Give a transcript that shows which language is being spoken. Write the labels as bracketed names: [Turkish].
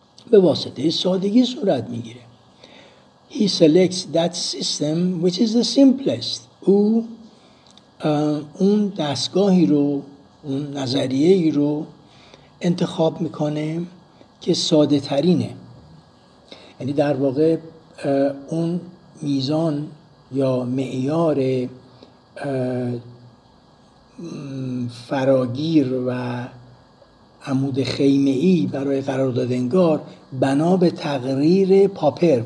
[Persian] به واسطه سادگی صورت میگیره. [English] He selects that system which is the simplest. [Persian] او اون دستگاهی رو، اون نظریه‌ای رو انتخاب میکنه که ساده ترینه. یعنی در واقع اون میزان یا معیار فراگیر و عمود خیمه ای برای قرارداد انگار بنا به تقریر پاپر.